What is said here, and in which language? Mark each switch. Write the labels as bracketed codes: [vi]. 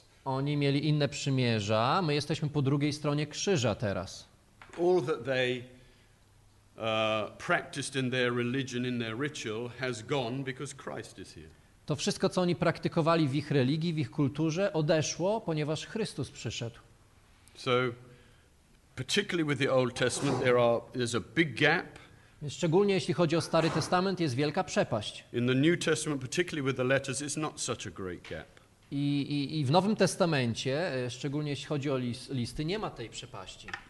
[pl] Oni mieli inne przymierza, my jesteśmy po drugiej stronie krzyża teraz. [en] All that they practiced in their religion, in their ritual has gone because Christ is here. [pl] To wszystko, co oni praktykowali w ich religii, w ich kulturze, odeszło, ponieważ Chrystus przyszedł. [en] So, particularly with the Old Testament, there's a big gap. [pl] Szczególnie jeśli chodzi o Stary Testament, jest wielka przepaść. [en] In the New Testament, particularly with the letters, it's not such a great gap. [pl] I w Nowym Testamencie, szczególnie jeśli chodzi o listy, nie ma tej przepaści.